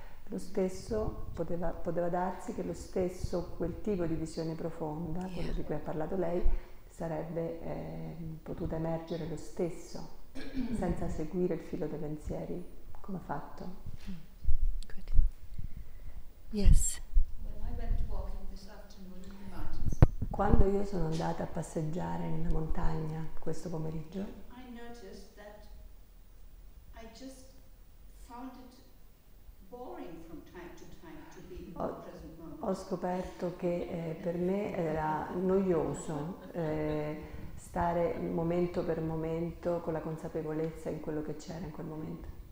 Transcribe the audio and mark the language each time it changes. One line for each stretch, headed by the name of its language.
Italian: Lo stesso poteva darsi che lo stesso quel tipo di visione profonda, yeah, quello di cui ha parlato lei, sarebbe potuta emergere lo stesso. Senza seguire il filo dei pensieri, come ha fatto?
English: Good. Yes. When I went walking this afternoon in the mountains,
Italian: quando io sono andata a passeggiare nella montagna questo pomeriggio,
English: I noticed that I just found it boring from time to time to be in the present moment.
Italian: Ho scoperto che per me era noioso. Stare momento per momento con la consapevolezza in quello che c'era in quel momento.